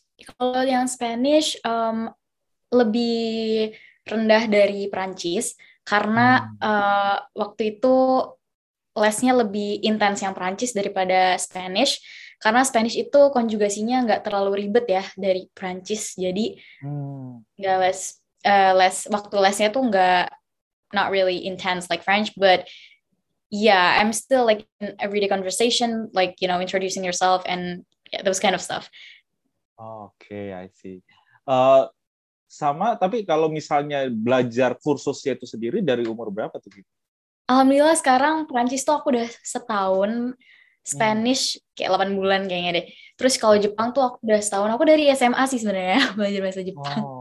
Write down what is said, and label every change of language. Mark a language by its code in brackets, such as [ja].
[id] Kalau yang Spanish lebih rendah dari Prancis karena waktu itu lesnya lebih intens yang Prancis daripada Spanish. Karena Spanish itu konjugasinya nggak terlalu ribet ya dari Prancis. Jadi nggak waktu lesnya tuh nggak [en] not really intense like French, but yeah, I'm still like in everyday conversation, like, you know, introducing yourself and yeah, those kind of stuff. Okay, I see. [id] Sama, tapi kalau misalnya belajar kursusnya itu sendiri dari umur berapa tuh? Alhamdulillah sekarang Prancis tuh aku udah setahun, Spanish kayak 8 bulan kayaknya deh. Terus kalau Jepang tuh aku udah setahun, aku dari SMA sih sebenarnya belajar bahasa Jepang.